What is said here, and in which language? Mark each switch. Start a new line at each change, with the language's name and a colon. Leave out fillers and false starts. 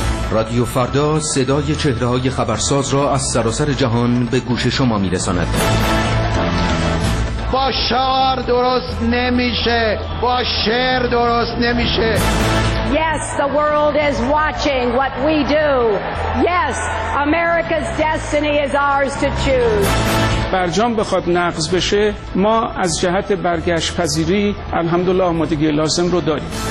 Persian: رادیو فردا صدای چهره‌های خبرساز را از سراسر جهان به گوش شما می‌رساند. با شعار درست نمیشه، با شعر درست نمیشه.
English: Yes, the world is watching what we do. Yes, America's destiny is ours to choose.
Persian: برجام بخواد نقض بشه، ما از جهت برگشت پذیری الحمدلله آمادگی لازم رو داریم.